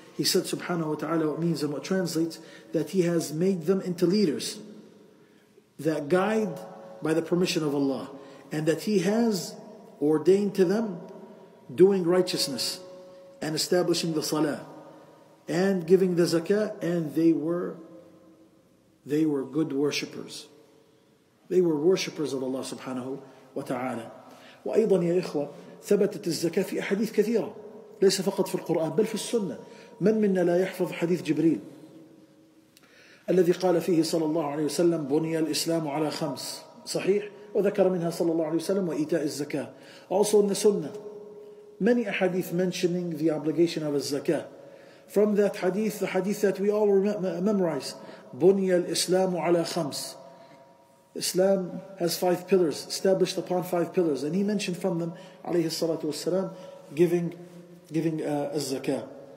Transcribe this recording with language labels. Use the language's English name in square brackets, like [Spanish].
[English] He said subhanahu wa ta'ala what means and what translates, that he has made them into leaders that guide by the permission of Allah, and that he has ordained to them doing righteousness and establishing the salah, and giving the zakah, and they were good worshippers. They were worshippers of Allah subhanahu wa ta'ala. [Arabic] وأيضا يا إخوة ثبتت الزكاة في أحاديث كثيرة ليس فقط في القرآن بل في السنة. من منا لا يحفظ حديث جبريل الذي قال فيه صلى الله عليه وسلم بني الإسلام على خمس، صحيح؟ وذكر منها صلى الله عليه وسلم وإيتاء الزكاة. [English] Also in the sunnah, many ahadith mentioning the obligation of zakah. From that hadith, the hadith that we all memorize, [Arabic] بني الإسلام على خمس. [English] Islam has five pillars, established upon five pillars, and he mentioned from them, [Arabic] عليه الصلاة والسلام, [English] giving zakah.